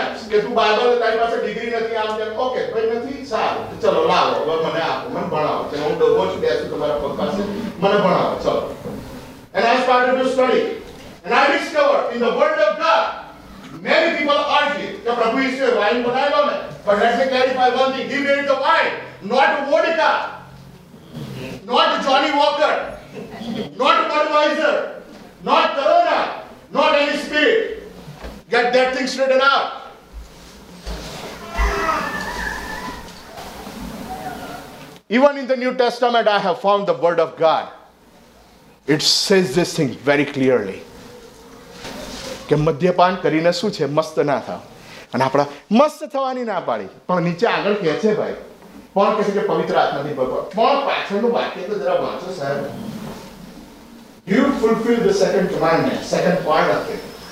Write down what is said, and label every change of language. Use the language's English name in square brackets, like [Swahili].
[Gujarati] કે તું બાઇબલ તારી પાસે ડિગ્રી નથી આમ કે ઓકે કોઈ નથી સારું ચલો લાવો મને આપો મને ભણાવો કે હું ડરો છું કે શું તમારા પગ પાસે મને ભણાવો ચલો. [English] And I started to study. And I discovered in the word of God many people argue [Gujarati] કે પ્રભુ ઈસુએ વાઇન બનાવ્યો ને. [English] But let me clarify one thing. He made the wine, not vodka, not Johnny Walker, not Budweiser, not Corona, not any spirit. Get that thing straightened out. Even in the New Testament, I have found the word of God. It says this thing very clearly. [Gujarati] કે મધ્યપાન કરીને શું છે, મસ્ત ના થાવ. અને આપણા મસ્ત થવાની ના પાડી પણ નીચે આગળ કહે છે ભાઈ, પણ કહે છે કે પવિત્ર આત્મા થી ભરપૂર. પણ પાછળનું વાક્ય તો જરા વાંચો સાહેબ. [English] You fulfil the second commandment, second part of it.